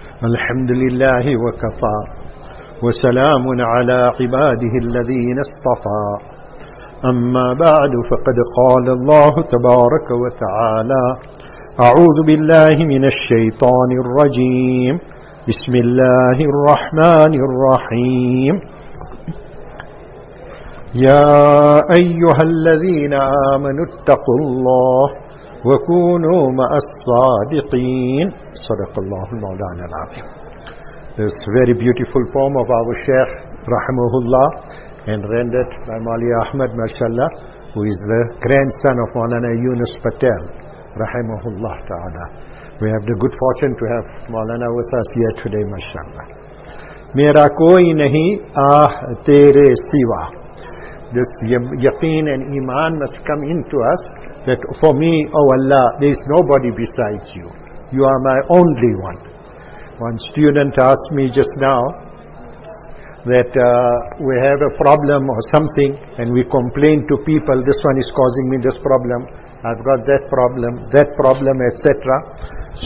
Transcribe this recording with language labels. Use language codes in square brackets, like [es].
[ar] الحمد لله وكفى وسلام على عباده الذين اصطفى، أما بعد، فقد قال الله تبارك وتعالى، أعوذ بالله من الشيطان الرجيم، بسم الله الرحمن الرحيم، يا أيها الذين آمنوا اتقوا الله وَكُونُوا مَعَ الصَّادِقِينَ، صدق الله مولانا العظيم. [en] This very beautiful poem of our Shaykh Rahimahullah and rendered by Mali Ahmed Mashallah, who is the grandson of Maulana Yunus Patel Rahimahullah Ta'ala. We have the good fortune to have Maulana with us here today, Mashallah. [ur] میرا کوئی نہیں آہ تیرے سوا. [en] This yaqeen and iman must come into us that for me, O Allah, there is nobody besides you. You are my only one. One student asked me just now that we have a problem or something and we complain to people, this one is causing me this problem, I've got that problem, etc.